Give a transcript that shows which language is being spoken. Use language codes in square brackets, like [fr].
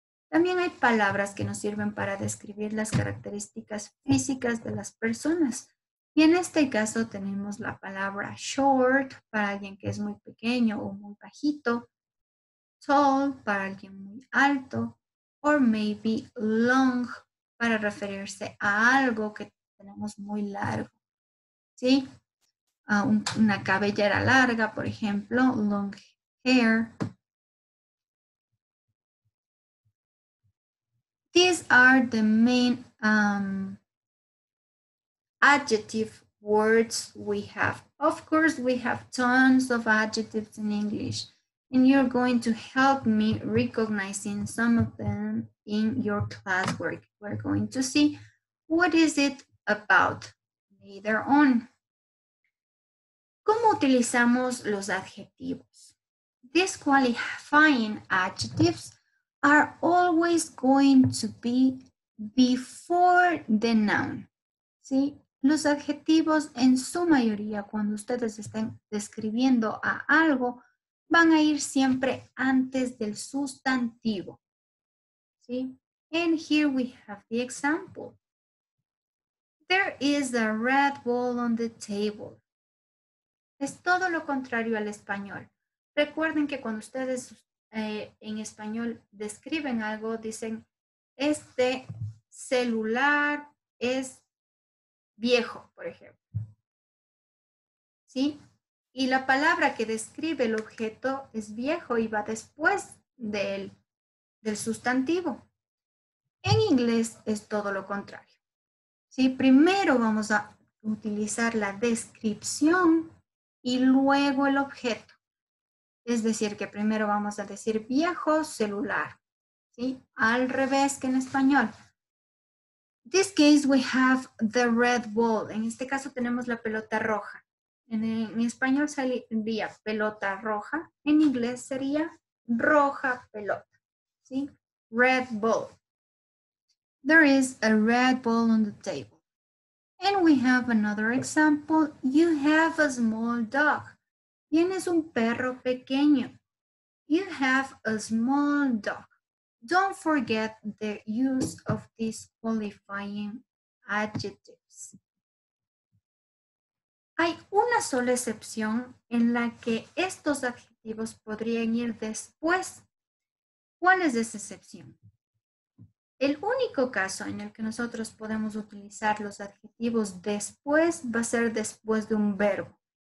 [es] También hay palabras que nos sirven para describir las características físicas de las personas. Y en este caso tenemos la palabra short para alguien que es muy pequeño o muy bajito, tall para alguien muy alto, [en] or maybe long [es] para referirse a algo que tenemos muy largo. ¿Sí? Una cabellera larga, por ejemplo, [en] long hair. These are the main adjective words we have. Of course, we have tons of adjectives in English, and you're going to help me recognizing some of them in your classwork. We're going to see what is it about later on. [es] ¿Cómo utilizamos los adjetivos? [en] These qualifying adjectives are always going to be before the noun. [es] ¿Sí? Los adjetivos en su mayoría, cuando ustedes estén describiendo a algo, van a ir siempre antes del sustantivo. ¿Sí? [en] And here we have the example. There is a red ball on the table. [es] Es todo lo contrario al español. Recuerden que cuando ustedes en español describen algo, dicen, este celular es viejo, por ejemplo. ¿Sí? Y la palabra que describe el objeto es viejo y va después del sustantivo. En inglés es todo lo contrario. ¿Sí? Primero vamos a utilizar la descripción y luego el objeto. Es decir, que primero vamos a decir viejo celular, ¿sí? Al revés que en español. [en] In this case, we have the red ball. [es] En este caso tenemos la pelota roja. En español sería pelota roja. En inglés sería roja pelota, ¿sí? [en] Red ball. There is a red ball on the table. And we have another example. You have a small dog. [es] Tienes un perro pequeño. [en] You have a small dog. Don't forget the use of these qualifying adjectives. [es] Hay una sola excepción en la que estos adjetivos podrían ir después. ¿Cuál es esa excepción? El único caso en el que nosotros podemos utilizar los adjetivos después va a ser después de un verbo.